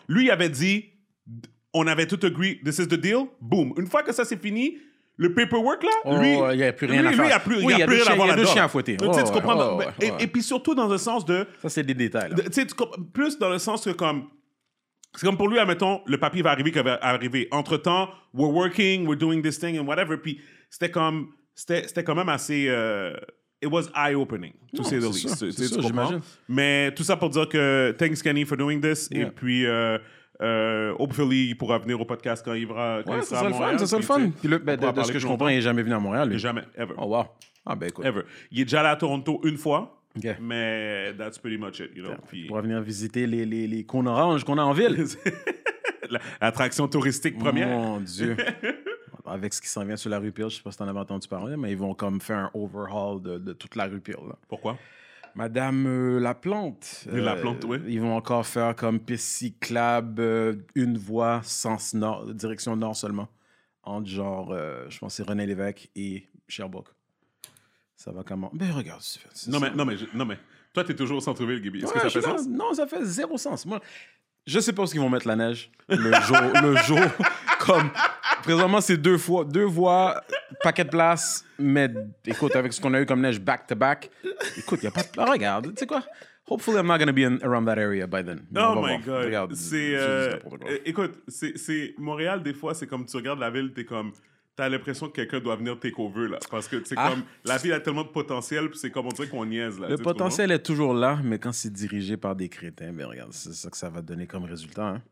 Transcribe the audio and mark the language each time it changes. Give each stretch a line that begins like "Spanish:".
French: Lui, il avait dit, on avait tout agree,
English: this is the deal,
French: boom. Une fois que ça c'est fini, le paperwork, là, il n'y a plus rien à fouetter. Tu comprends? Et puis surtout dans le sens de... Ça, c'est des détails. Plus dans le sens que comme... C'est comme pour lui, admettons, le papier va arriver qu'il va arriver.
English: Entre-temps, we're working, we're doing this thing and whatever.
French: Puis c'était quand même assez...
English: it was eye-opening, to say the least.
French: C'est ça, j'imagine. Mais tout ça pour dire que
English: thanks, Kenny, for doing this.
French: Yeah. Et puis, hopefully, il pourra venir au podcast quand il sera Ça sera le fun. Puis de ce que je comprends, il n'est jamais venu à Montréal. Jamais,
English: ever.
French: Oh, wow. Ah, ben écoute.
English: Ever.
French: Il est déjà allé à Toronto une fois.
English: Okay. Mais that's pretty much it, you know.
French: Puis, pour venir visiter les cônes oranges qu'on a en ville. L'attraction touristique première. Mon Dieu. Avec ce qui s'en vient sur la rue Peel, je sais pas si t'en avais entendu parler, mais ils vont comme faire un overhaul de toute la rue Peel. Pourquoi? Madame Laplante. Laplante, oui. Ils vont encore faire comme piste cyclable, une voie sens nord, direction nord seulement, entre genre, je pense que c'est René Lévesque et Sherbrooke. Ça va comment? Ben, regarde. Non, mais toi, t'es toujours au centre-ville, Gibby. Est-ce que ça fait sens? Non, ça fait zéro sens. Moi, je sais pas où ils vont mettre la neige le jour. Comme, présentement, c'est deux voies, paquet de place. Mais écoute, avec ce qu'on a eu comme neige back-to-back, écoute, il n'y a pas de place. Regarde, tu sais quoi?
English: Hopefully, I'm not going to be around that area by then. Oh my God.
French: Regarde, c'est Montréal, des fois, c'est comme tu regardes la ville, t'es comme... T'as l'impression que quelqu'un doit venir take over, là. Parce que, c'est comme, la ville a tellement de potentiel, puis c'est comme on dirait qu'on niaise, là. Le potentiel est toujours là, mais quand c'est dirigé par des crétins, ben regarde, c'est ça que ça va donner comme résultat, hein.